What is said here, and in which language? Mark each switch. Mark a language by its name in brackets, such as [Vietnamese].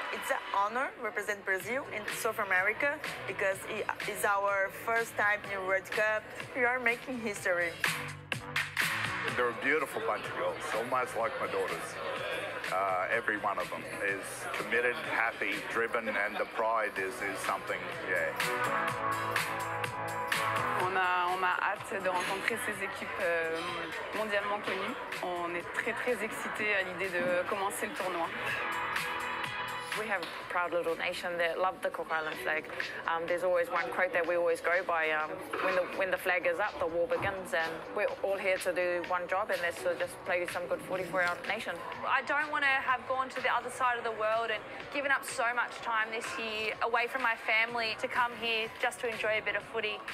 [English] It's an honour to represent Brazil in South America because it is our first time in World Cup. We are making history. They're a beautiful bunch of girls, almost like my daughters. Every one of them is committed, happy, driven, and the pride is something, yeah. [French] On a hâte de rencontrer ces équipes mondialement connues. On est très, très excités à l'idée de commencer le tournoi. [English] We have a proud little nation that love the Cook Island flag. There's always one quote that we always go by, when the flag is up, the war begins, and we're all here to do one job, and that's to just play some good footy for our nation. I don't want to have gone to the other side of the world and given up so much time this year away from my family to come here just to enjoy a bit of footy.